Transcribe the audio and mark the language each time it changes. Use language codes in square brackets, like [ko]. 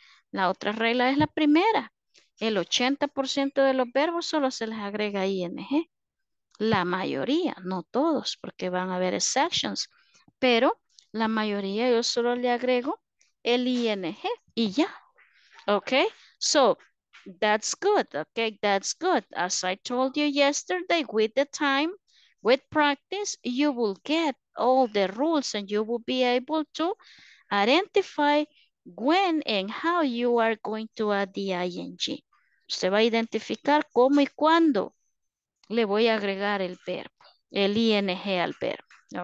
[es] La otra regla es la primera. El 80% de los verbos solo se les agrega ing. La mayoría, no todos, porque van a haber exceptions. Pero la mayoría yo solo le agrego el ing y ya. [en] Ok, so that's good. Ok, that's good. As I told you yesterday, with the time, with practice, you will get all the rules and you will be able to identify when and how you are going to add the ing. [es] Usted va a identificar cómo y cuándo le voy a agregar el verbo, el ing al verbo.